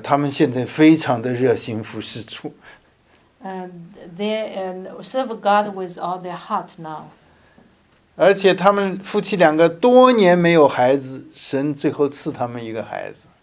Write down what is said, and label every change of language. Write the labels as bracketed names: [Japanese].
[Chinese] 他们现在非常的热心服侍主。 [English] They serve God with all their heart now. [Chinese] 而且他们夫妻两个多年没有孩子，神最后赐他们一个孩子。